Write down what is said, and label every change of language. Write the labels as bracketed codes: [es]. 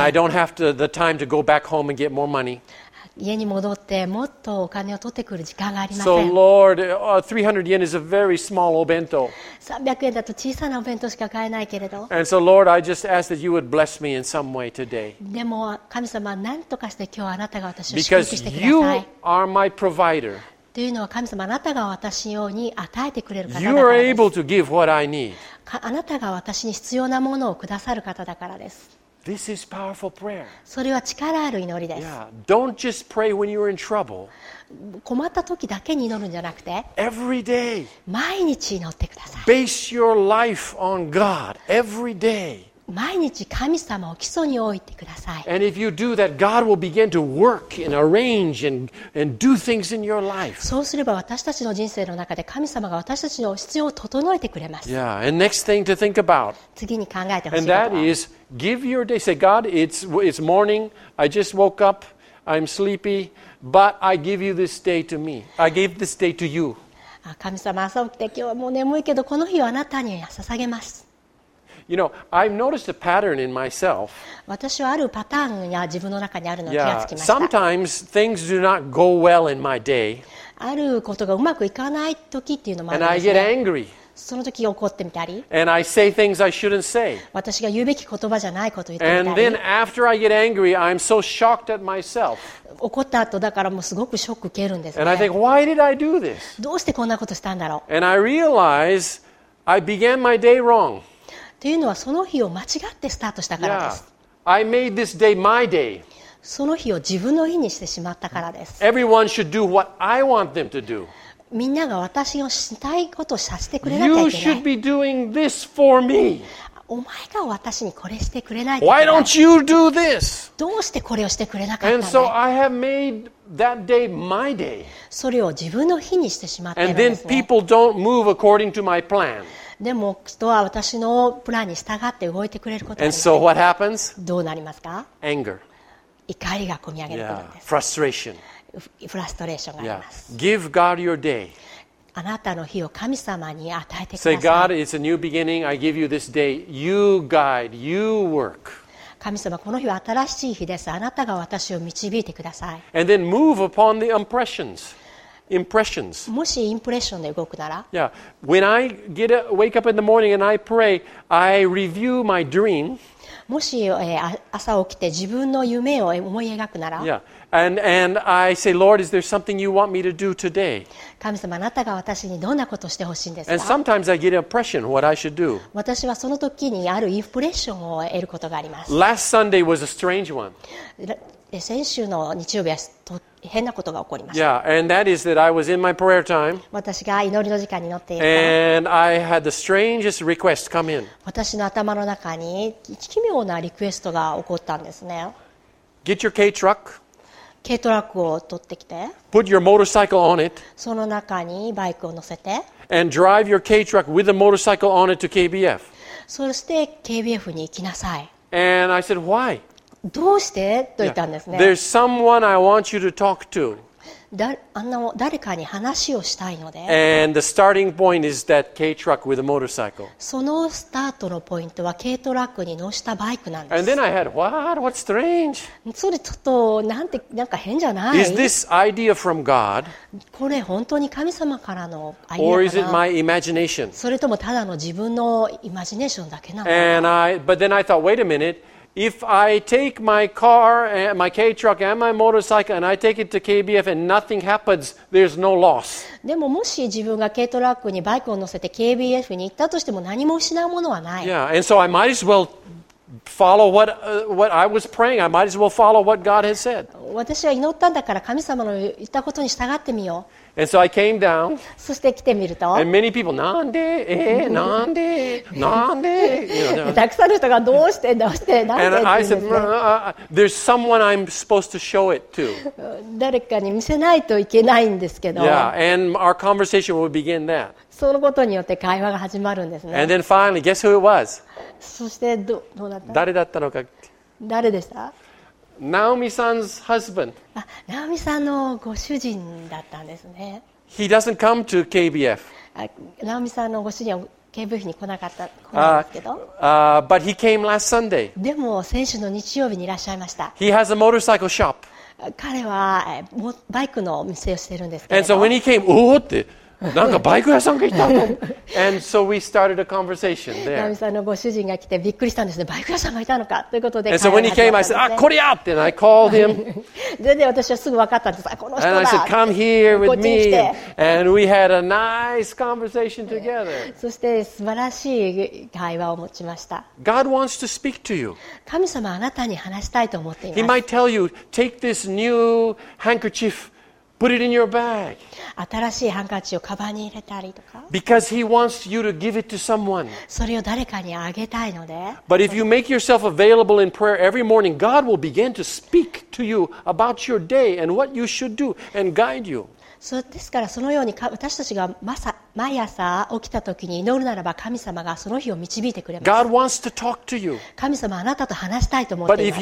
[en] And I don't have to, the time to go back home and get more money. [ja] 家に戻ってもっとお金を取ってくる時間がありません。 [en] So Lord, 300 yen is a very small お弁当。 [ja] 300円だと小さなお弁当しか買えないけれど。 [en] And so Lord, I just ask that you would bless me in some way today. [ja] でも神様、何とかして今日あなたが私を祝福してください。 [en] Because you are my provider. [ja] というのは神様、あなたが私に与えてくれる方だからです。 [en] You are able to give what I need. [ja] あなたが私に必要なものをくださる方だからです。 [en] This is powerful prayer. [ja] それは力ある祈りです。 [en] Yeah. Don't just pray when you're in trouble. [ja] 困った時だけに祈るんじゃなくて、 [en] Every day. [ja] 毎日祈ってください。 [en] Base your life on God every day. [ja] 毎日神様を基礎に置いてください。 [en] And if you do that, God will begin to work and arrange and do things in your life. [ja] そうすれば私たちの人生の中で神様が私たちの必要を整えてくれます。 [en] Yeah. And next thing to think about. [ja] 次に考えてほしいことは、 [en] And that is. Give your day. Say, God, it's morning. I just woke up. I'm sleepy. But I give you this day to me. I give this day to you. [ja] 神様、朝起きて今日はもう眠いけど、この日をあなたに捧げます。 [en] You know, I've noticed a pattern in myself. [ja] 私はあるパターンが自分の中にあるのを気がつきました。 [en] Yeah, sometimes things do not go well in my day. [ja] あることがうまくいかない時っていうのもあるんですね。 [en] And I get angry. [ja] その時怒ってみたり、 [en] And I say things I shouldn't say. [ja] 私が言うべき言葉じゃないことを言ってみたり、 [en] And then after I get angry, I'm so shocked at myself. [ja] 怒った後だからもうすごくショック受けるんですね。 [en] And I think, why did I do this? [ja] どうしてこんなことしたんだろう。 [en] And I realize I began my day wrong. [ja] というのはその日を間違ってスタートしたからです。 [en] Yeah. I made this day my day. その日を自分の日にしてしまったからです。 Everyone should do what I want them to do. [ja] みんなが私のしたいことをさせてくれなきゃいけない。 [en] You should be doing this for me. [ja] お前が私にこれしてくれないといけない。 [en] Why don't you do this? [ja] どうしてこれをしてくれなかったの。 [en] And so I have made that day my day. [ja] それを自分の日にしてしまったんですね。 [en] And then people don't move according to my plan. [ja] でも人は私のプランに従って動いてくれることがありません。 [en] And so what happens? [ja] どうなりますか。 [en] Anger. [ja] 怒りがこみ上げてくるんです。 [en] Yeah. Frustration. [ja] フラストレーションがあります。 [en] Yeah. Give God your day. [ja] あなたの日を神様に与えてください。 [en] Say, God, it's a new beginning. I give you this day. You guide. You work. [ja] 神様、この日は新しい日です。あなたが私を導いてください。 [en] And then move upon the impressions. Impressions. [ja] もしインプレッションで動くなら。 [en] Yeah. When I get a, wake up in the morning and I pray, I review my dream. [ja] もし、朝起きて自分の夢を思い描くなら、 [en] yeah. and I say, Lord, is there something you want me to do today? [ja] 神様、あなたが私にどんなことをしてほしいんですか。 [en] And sometimes I get an impression what I should do. [ja] 私はその時にあるインプレッションを得ることがあります。 [en] Last Sunday was a strange one. [ja] 先週の日曜日はと変なことが起こりました。 [en] Yeah, and that is that I was in my prayer time. [ja] 私が祈りの時間に乗っていた。 [en] And I had the strangest request come in. [ja] 私の頭の中に奇妙なリクエストが起こったんですね。 [en] Get your K truck. [ja] 軽トラックを取ってきて。 [en] Put your motorcycle on it. [ja] その中にバイクを乗せて。 [en] and drive your K truck with a motorcycle on it to KBF. [ja] そして KBF に行きなさい。 [en] And I said, why? [ja] どうしてと言ったんですね。 [en] Yeah. There's someone I want you to talk to. [ja] あんな誰かに話をしたいので。 [en] And the starting point is that K truck with a motorcycle. [ja] そのスタートのポイントは軽トラックに乗したバイクなんです。 [en] And then I had, what? What's strange? [ja] それちょっとなんてなんか変じゃない [en] ？Is this idea from God? [ja] これ本当に神様からのアイデアかな [en] ？Or is it my imagination? [ja] それともただの自分のイマジネーションだけなのか？ [en] But then I thought, wait a minute. If I take my car, my K truck and my motorcycle and I take it to KBF and nothing happens, there's no loss. [ja] でももし自分が軽トラックにバイクを乗せて KBF に行ったとしても何も失うものはない。 [en] Yeah, and so I might as well follow what I was praying. I might as well follow what God has said. [ja] 私は祈ったんだから神様の言ったことに従ってみよう。 [en] And so I came down. [ja] そして来てみると。 [en] And many people, [ja] なんで、なんで、なんで。たくさんの人がどうしてどうしてなんで。 [en] And I said, there's someone I'm supposed to show it to. [ja] 誰かに見せないといけないんですけど。 [en] Yeah, and our conversation will begin that. [ja] そのことによって会話が始まるんですね。 [en] And then finally, guess who it was? [ja] そしてどうだった？誰だったのか。誰でした？ [en] Naomi san's husband. [ja] Naomi さんのご主人だったんですね。 [en] He doesn't come to KBF. [ja] Naomi さんのご主人は KBF に来なかった、来ないんですけど。 [en] But he came last Sunday. [ja] でも先週の日曜日にいらっしゃいました。 [en] He has a motorcycle shop. [ja] 彼はバイクの店をしてるんですけど。 [en] And so when he came, [ja] おおって。なんかバイク屋さんが来たの。 [en] And so we started a conversation there. [ja] 奈美さんのご主人が来てびっくりしたんですね。バイク屋さんがいたのかということで。 [en] And so when he came, I said, "Ah, [ja] これや!" [en] Then I called him. [ja] でで私はすぐ分かったんです。あ、この人だ。 [en] And I said, "Come here with me." And we had a nice conversation together. [ja] そして素晴らしい会話を持ちました。 [en] God wants to speak to you. [ja] 神様あなたに話したいと思っています。 [en] He might tell you, "Take this new handkerchief." Put it in your bag. [ja] 新しいハンカチをカバンに入れたりとか。 [en] Because he wants you to give it to someone. [ja] それを誰かにあげたいので。 [en] But if you make yourself available in prayer every morning, God will begin to speak to you about your day and what you should do and guide you. [ja] そうですからそのように私たちが毎朝起きた時に祈るならば神様がその日を導いてくれます。 [en] God wants to talk to you. [ja] 神様あなたと話したいと思っています。